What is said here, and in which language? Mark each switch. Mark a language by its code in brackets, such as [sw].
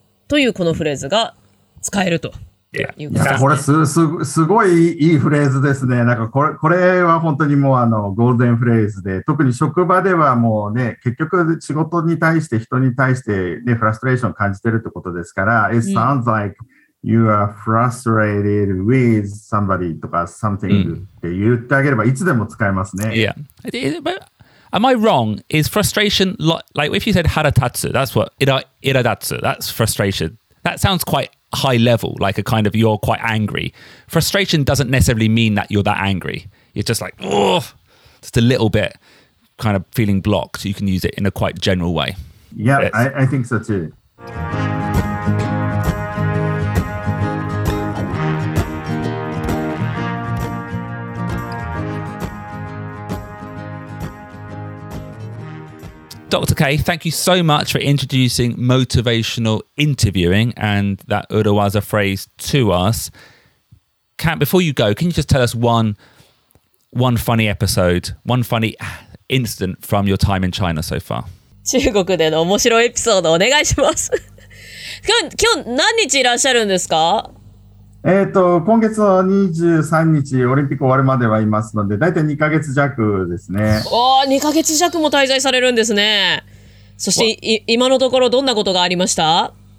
[ja] というこのフレーズが使えるというです、ね。いや、これすごいいいフレーズですね。なんかこれは本当にもうゴールデンフレーズで、特に職場ではもうね、結局仕事に対して人に対して、ね、フラストレーションを感じてるってことですから、 [en] It sounds like You are frustrated with somebody [ja] とか [en] something、mm. [ja] って言ってあげればいつでも使えますね。 [en] Yeah. But am I wrong? Is frustration like if you said haratatsu, that's what, iradatsu, that's frustration. That sounds quite high level, like a kind of you're quite angry. Frustration doesn't necessarily mean that you're that angry. It's just like, oh, just a little bit kind of feeling blocked. You can use it in a quite general way. Yeah, I think so too. Dr. K, thank you so much for introducing motivational interviewing and that Urawaza phrase to us. Kat, before you go, can you just tell us one funny episode, one funny incident from your time in China so far? [ja] 中国での面白いエピソードお願いします。今日何日いらっしゃるんですか？今月の23日、オリンピック終わるまではいますので、だいたい2ヶ月弱ですね。おー、2ヶ月弱も滞在されるんですね。そして、今のところどんなことがありました？